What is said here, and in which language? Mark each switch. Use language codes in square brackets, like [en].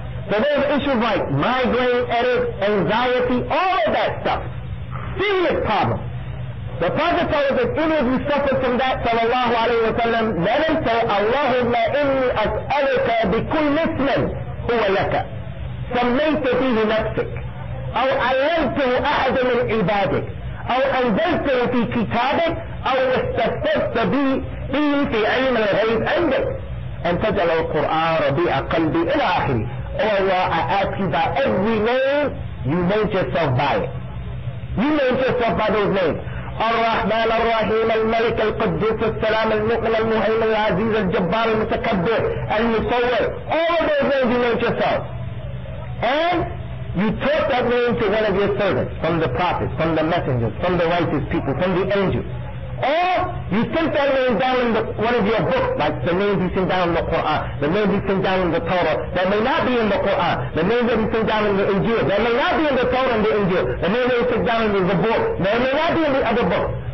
[en] So there's issues like migraine, headache, anxiety, all of that stuff. Serious problem. The Prophet told us that any of you suffer from that, sallallahu alayhi wa sallam, let him say, [ar] Allahumma inni as'aluka bi kulli ismin huwa laka. سميت فيه نفسك أو علمته أحد من عبادك أو أنزلته في كتابك أو استثبت به في علم الغيب عندك أن تجعل القرآن ربيع قلبي إلى آخره. [en] Oh Allah, I ask you by every name you made yourself by it. You made yourself by those names. [ar] الرحمن الرحيم الملك القدوس السلام المؤمن المهيمن العزيز الجبار المتكبر المصور. [en] All of those names you made yourself. And you took that name to one of your servants, from the prophets, from the messengers, from the righteous people, from the angels. Or you sent that name down in one of your books, like the names you sent down in the Quran, the names you sent down in the Torah, that may not be in the Quran, the names that you sent down in the Injil, that may not be in the Torah and the Injil, the names that you sent down in the Zabur, that may not be in the other books.